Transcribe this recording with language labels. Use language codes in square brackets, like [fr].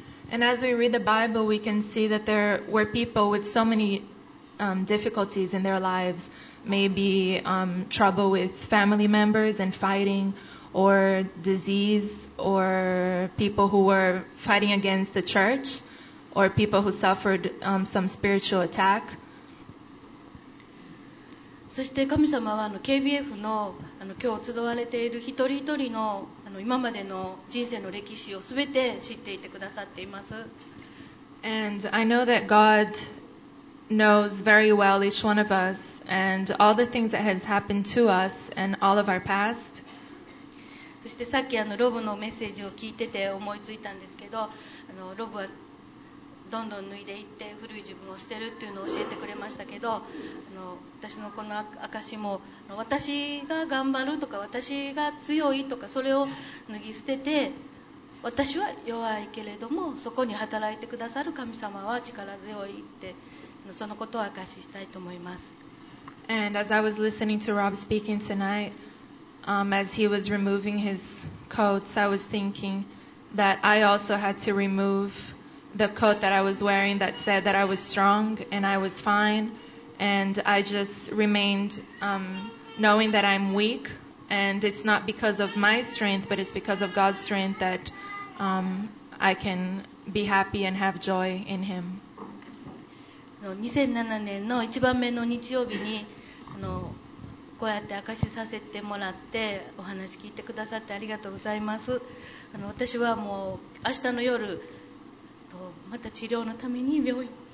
[en] And as we read the Bible, we can see that there were people with so many difficulties in their lives. Maybe trouble with family members and fighting, or disease, or people who were fighting against the church, or people who suffered some spiritual attack. [ja] そして神様はKBF の今日集われている一人一人の今までの人生の歴史をすべて知っていてくださっています。 [en] And I know that God knows very well each one of us. And all the things that has happened to us and all of our past. [ja] そしてさっきロブのメッセージを聞いてて思いついたんですけど、ロブはどんどん脱いでいって古い自分を捨てるっていうのを教えてくれましたけど、私のこの証も私が頑張るとか私が強いとかそれを脱ぎ捨てて、私は弱いけれどもそこに働いてくださる神様は力強いってそのことを証ししたいと思います。 [en] And as I was listening to Rob speaking tonight, as he was removing his coats, I was thinking that I also had to remove the coat that I was wearing that said that I was strong and I was fine. And I just remained knowing that I'm weak. And it's not because of my strength, but it's because of God's strength that I can be happy and have joy in Him. [ja] 2007年の1番目の日曜日にこうやって証しさせてもらってお話聞いてくださってありがとうございます。私はもう明日の夜また治療のために病院。